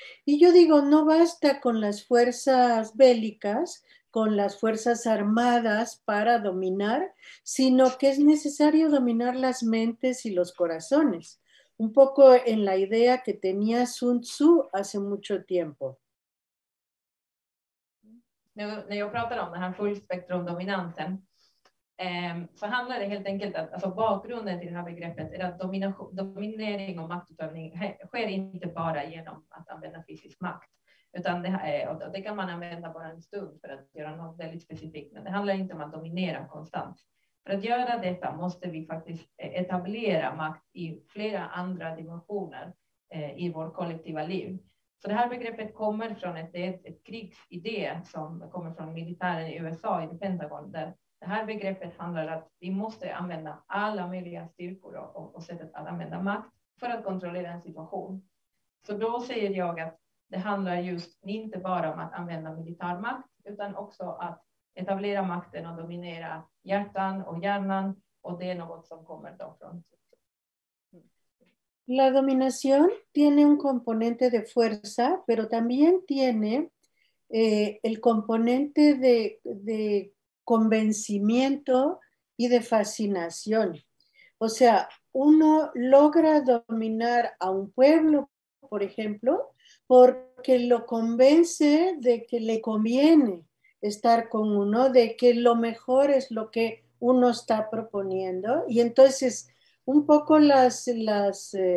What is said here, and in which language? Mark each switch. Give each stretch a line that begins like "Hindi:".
Spanish: Y yo digo, no basta con las fuerzas bélicas, con las fuerzas armadas para dominar, sino que es necesario dominar las mentes y los corazones. Un poco en la idea que tenía Sun Tzu hace mucho tiempo.
Swedish: Nu, när jag pratar om den här fullspektrumdominansen så handlar det helt enkelt att alltså bakgrunden till det här begreppet är att dominering och maktutövning sker inte bara genom att använda fysisk makt. Utan det kan man använda bara en stund för att göra något väldigt specifikt. Men det handlar inte om att dominera konstant. För att göra detta måste vi faktiskt etablera makt i flera andra dimensioner i vårt kollektiva liv. Så det här begreppet kommer från ett krigsidé som kommer från militären i USA i Pentagon. Där det här begreppet handlar om att vi måste använda alla möjliga styrkor och sättet att använda makt för att kontrollera en situation. Så då säger jag att det handlar just inte bara om att använda militär makt utan också att etablera makten och dominera hjärtan och hjärnan. Och det är något som kommer då från.
Spanish: La dominación tiene un componente de fuerza, pero también tiene el componente de convencimiento y de fascinación. O sea, uno logra dominar a un pueblo, por ejemplo, porque lo convence de que le conviene estar con uno, de que lo mejor es lo que uno está proponiendo, y entonces un poco los